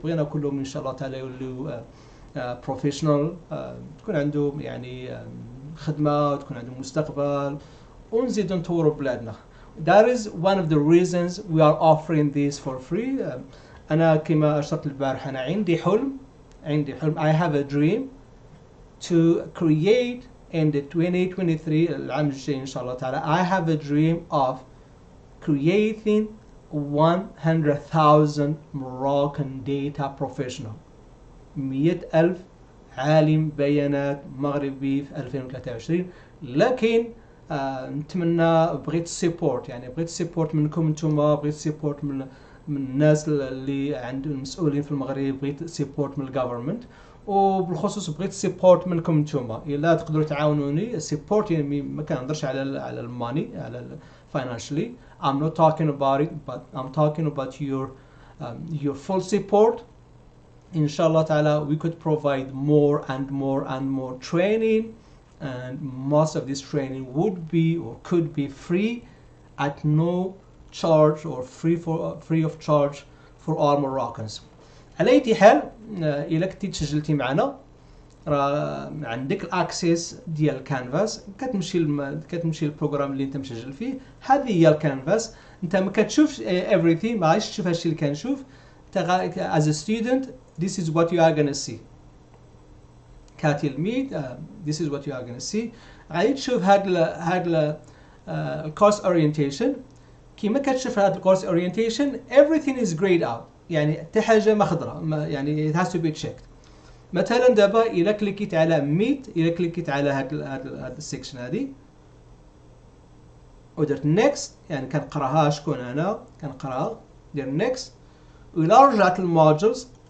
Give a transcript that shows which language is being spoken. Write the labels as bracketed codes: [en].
[ar] بغينا كلهم إن شاء الله تعالى يوليو بروفيشنال، تكون عندهم يعني خدمة وتكون عندهم مستقبل ونزيد نطوروا بلادنا. [en] That is one of the reasons we are offering this for free. [ar] أنا كما أشرت البارحة، أنا عندي حلم، عندي حلم. [en] I have a dream to create in the 2023، [ar] العام الجاي إن شاء الله تعالى. [en] I have a dream of creating 100,000 Moroccan data professional. [ar] 100,000 عالم بيانات مغربي في 2023. لكن نتمنى، بغيت سيبورت، يعني بغيت سيبورت منكم انتوما، بغيت سيبورت من الناس اللي عندهم المسؤولين في المغرب، بغيت سيبورت من الجوفرمنت، وبالخصوص بغيت سيبورت منكم انتوما. الا تقدروا تعاونوني سيبورت، يعني ما كنهضرش على الماني، على الفاينانشلي. [en] I'm not talking about it, but I'm talking about your full support. [ar] إن شاء الله تعالى [en] we could provide more and more and more training, and most of this training would be or could be free at no charge or free of charge for all Moroccans. [ar] على أي حال، إلا كنتي تسجلتي معنا راه عندك الأكسس ديال الكانفاس، كتمشي البروغرام اللي أنت مسجل فيه. هذه هي الكانفاس، أنت ما كتشوفش everything، ما عايش تشوف هادشي اللي كنشوف. أنت [en] as a student this is what you are gonna see. [ar] كتلميذ [en] this is what you are gonna see. [ar] غادي تشوف هاد الكورس اورينتيشن. كيما كتشوف هاد الكورس اورينتيشن [en] everything is grayed out، [ar] يعني حتى حاجه مخضره، يعني [en] it has to be checked. [ar] مثلا دابا الى كليكيت على ميت، الى كليكيت على هاد السيكشن هادي ودرت نيكست، يعني كنقراها، شكون انا كنقراها، دير نيكست، والى رجعت للمودولز